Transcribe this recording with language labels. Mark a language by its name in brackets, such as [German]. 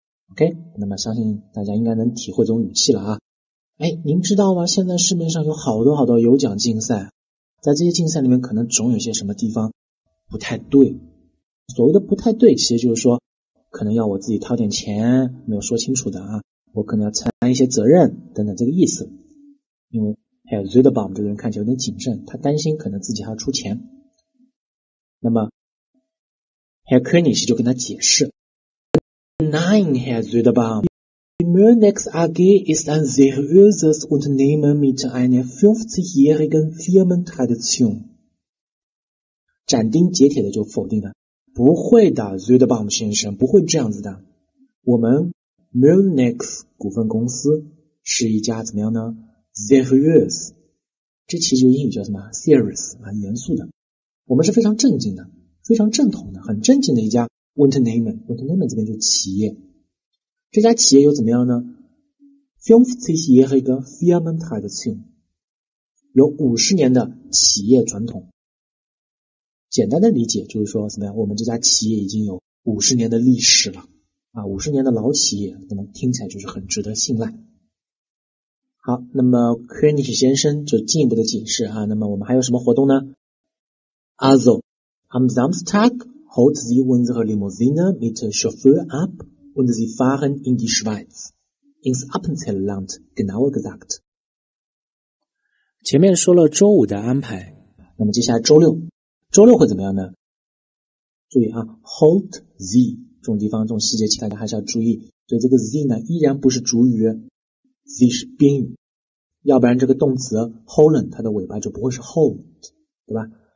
[Chinese] OK， 那么相信大家应该能体会这种语气了啊。哎，您知道吗，现在市面上有好多好多有奖竞赛，在这些竞赛里面可能总有些什么地方不太对，所谓的不太对其实就是说可能要我自己掏点钱，没有说清楚的啊，我可能要承担一些责任等等这个意思。因为还有 Zuidbaum 这个人看起来有点谨慎，他担心可能自己还要出钱，那么 Herr König 就跟他解释 [German] Nein Herr Zuidbaum， die Mönex AG ist ein seriöses Unternehmen mit einer 50-jährigen Firmentradition。 [Chinese] 斩钉截铁的就否定了，不会的 Zuidbaum 先生，不会这样子的，我们Mönex 股份公司是一家怎么样呢？ Serious， 这其实英语叫什么？Serious 啊，严肃的。我们是非常正经的，非常正统的，很正经的一家 Unternehmen。 Unternehmen 这边就是企业。这家企业又怎么样呢？ [German] 50-jährige Firmentradition， [Chinese] 有50年的企业传统。简单的理解就是说怎么样？我们这家企业已经有50年的历史了。啊，50年的老企业，那么听起来就是很值得信赖。好，那么 König 先生就进一步的解释啊，那么我们还有什么活动呢？ [German] Also am Samstag holt sie unsere Limousine mit Chauffeur ab und sie fahren in die Schweiz, ins Appenzellland genauer gesagt。 [Chinese] 前面说了周五的安排，那么接下来周六，周六会怎么样呢？注意啊， [German] holt sie， [Chinese] 这种地方这种细节请大家还是要注意，所以这个 z 呢依然不是主语， z 是宾语，要不然这个动词 holen 它的尾巴就不会是 hold， 对吧？